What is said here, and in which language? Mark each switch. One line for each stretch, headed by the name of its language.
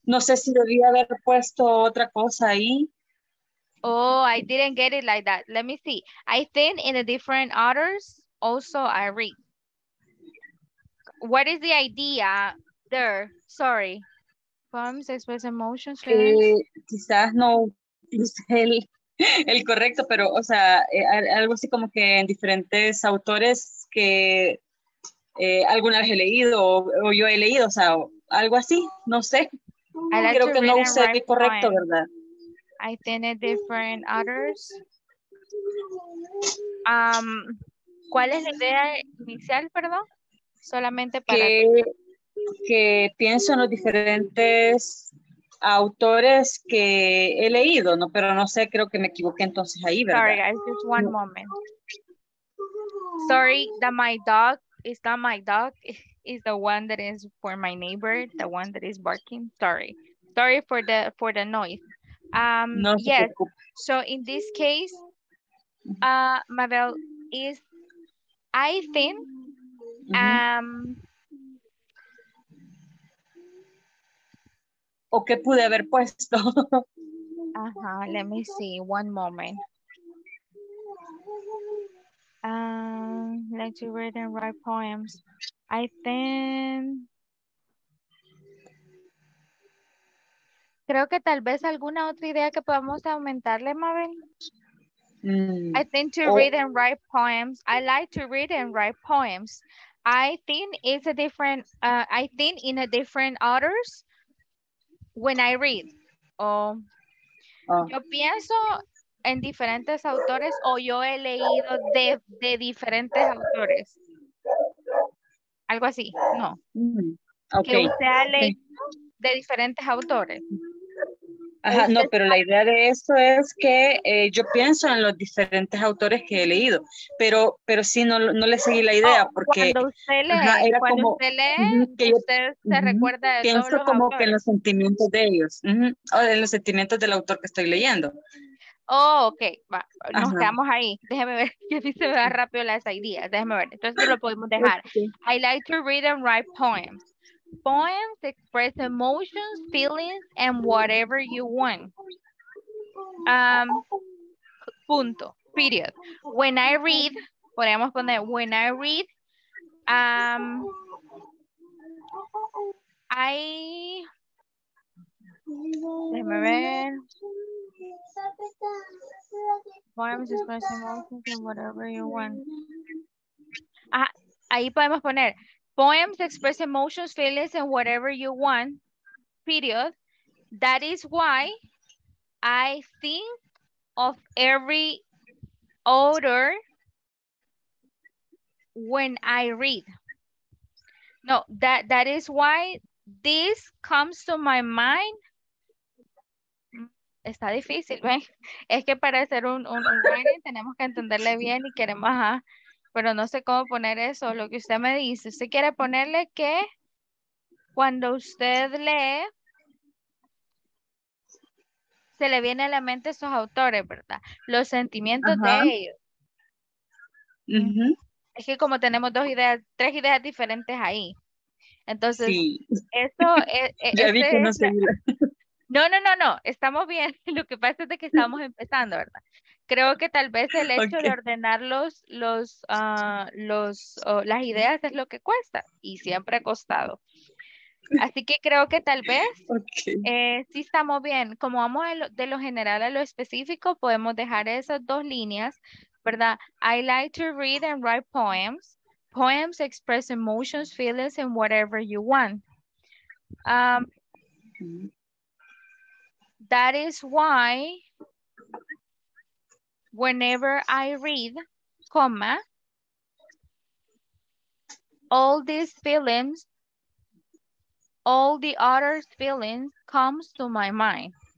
Spanish: No sé si debía haber puesto otra cosa ahí.
English: Oh, I didn't get it like that. Let me see. I think in the different orders, also I read. what is the idea there? Sorry. Poems express emotions.
Spanish: Quizás no es el correcto, pero, o sea, algo así como que en diferentes autores que alguna vez he leído o yo he leído, o sea, algo así, no sé. Creo que no usé el correcto, poem. ¿Verdad?
English: I think it's different others.
Spanish: ¿Cuál es la idea inicial, perdón? Solamente para... Que pienso en los diferentes autores que he leído, ¿no? Pero no sé, creo que me equivoqué entonces ahí, ¿verdad?
English: Sorry, guys, just one moment. Sorry that my dog is not my dog. It's the one that is for my neighbor, the one that is barking. Sorry. Sorry for the noise. Yes, so in this case, Mabel, is I think
Spanish: o qué pude haber puesto.
English: Let me see one moment. Let you read and write poems. I think
Spanish: creo que tal vez alguna otra idea que podamos aumentarle, Mabel.
English: I think to read and write poems. I like to read and write poems. I think it's a different, I think in a different authors when I read.
Spanish: Yo pienso en diferentes autores o yo he leído de diferentes autores. Algo así, no.
English: Okay.
Spanish: Que usted ha leído de diferentes autores. Ajá, no, pero la idea de esto es que yo pienso en los diferentes autores que he leído, pero sí, no le seguí la idea, porque cuando usted lee, usted se recuerda de pienso todos los como autores. Que en los sentimientos de ellos, o en los sentimientos del autor que estoy leyendo. Oh, ok, va, nos quedamos ahí, déjeme ver, que si se me da rápido las ideas, déjeme ver, entonces lo podemos dejar.
English: Okay. I like to read and write poems. Poems express emotions, feelings, and whatever you want.
Spanish: Punto.
English: Period. When I read,
Spanish: podemos poner,
English: when I read,
Spanish: déjame ver.
English: Poems express emotions and whatever you want. Ahí podemos poner. Poems express emotions, feelings, and whatever you want, period. That is why I think of every author when I read. No, that is why this comes to my mind.
Spanish: Está difícil, ¿ven? Es que para hacer un writing tenemos que entenderle bien y queremos... pero no sé cómo poner eso, lo que usted me dice. Usted quiere ponerle que cuando usted lee, se le viene a la mente esos autores, ¿verdad? Los sentimientos de ellos. Es que como tenemos dos ideas, tres ideas diferentes ahí. Entonces, eso es... ya vi que no se... No, estamos bien. Lo que pasa es de que estamos empezando, ¿verdad? Creo que tal vez el hecho de ordenar las ideas es lo que cuesta y siempre ha costado. Así que creo que tal vez sí estamos bien. Como vamos de lo general a lo específico, podemos dejar esas dos líneas, ¿verdad?
English: I like to read and write poems. Poems express emotions, feelings, and whatever you want. That is why whenever I read, comma, all these feelings, all the others' feelings comes to my mind.